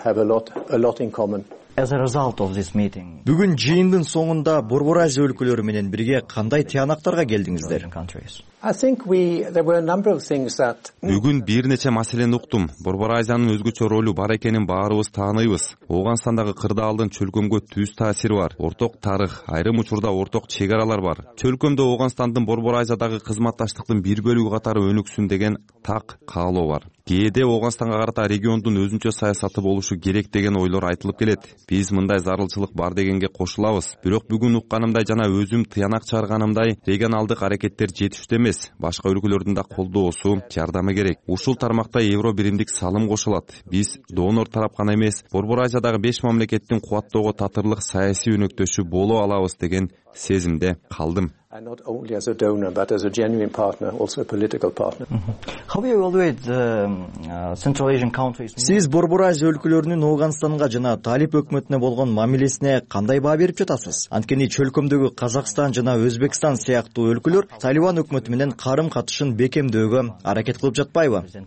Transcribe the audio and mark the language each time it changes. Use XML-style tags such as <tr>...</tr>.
<en>As a result of this meeting.</en> <ky>Бүгүн жыйындын соңунда Борбор Азия өлкөлөрү менен бирге кандай тыянактарга келдиңиздер? Бүгүн бир нече маселени уктум. Борбор Азиянын өзгөчө ролу бар экенин баарыбыз тааныйбыз. Ооганстандагы кырдаалдын чөлкөмгө түз таасири бар. Орток тарых, айрым учурда орток чек аралар бар. Чөлкөмдө Оогонстандын Борбор Азиядагы кызматташтыктын бир бөлүгү катары өнүксүн деген так каалоо бар. Кээде Ооганстанга карата региондун өзүнчө саясаты болушу керек деген ойлор айтылып келет. Биз мындай зарылчылык бар дегенге кошулабыз. Бирок бүгүн укканымдай жана өзүм тыянак чыгарганымдай регионалдык аракеттер жетиштүү эмес. Башка өлкөлөрдүн да колдоосу, жардамы керек. Ушул тармакта Евро биримдик салым кошулат. Биз донор тарап гана эмес, Борбор Азиядагы 5 мамлекеттин кубаттоого татырлык саясий өнөктөшү боло алабыз деген сезимде калдым.</ky> <en>And not only as a donor but as a genuine partner, also a political partner. How do you evaluate the Central Asian countries?</en> <ky>Сиз Борбор Азия өлкөлөрүнүн Ооганстанга жана Талип өкмөтүнө болгон мамилесине кандай баа берип жатасыз? Анткени чөлкөмдөгү Казакстан жана Өзбекстан сыяктуу өлкөлөр Талибан өкмөтү менен карым-катышын бекемдөөгө аракет кылып жатпайбы?</ky>